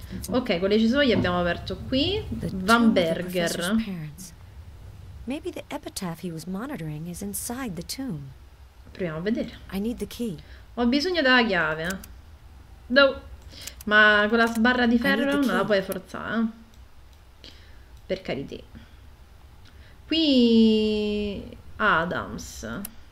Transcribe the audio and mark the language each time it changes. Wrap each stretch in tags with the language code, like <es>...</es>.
<it>Ok, con le cesoie abbiamo aperto qui. Vamberger.</it> <en>Maybe the epitaph he was monitoring is inside the tomb.</en> <it>Proviamo a vedere.</it> <en>I need the key.</en> <it>Ho bisogno della chiave. No. Ma con la sbarra di ferro non la puoi forzare. Per carità. Qui Adams.</it>